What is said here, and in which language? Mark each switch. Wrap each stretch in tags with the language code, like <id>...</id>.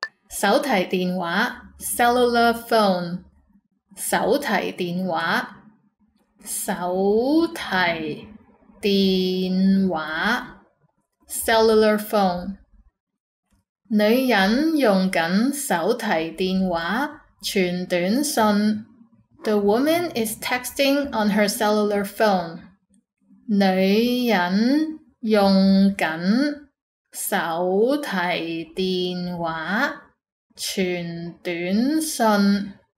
<yue>手提電話 cellular phone. 手提電話。手提電話 cellular phone. 女人用緊手提電話傳短信。</yue> <en>The woman is texting on her cellular phone.</en> <yue>女人用緊手提電話傳短信。</yue>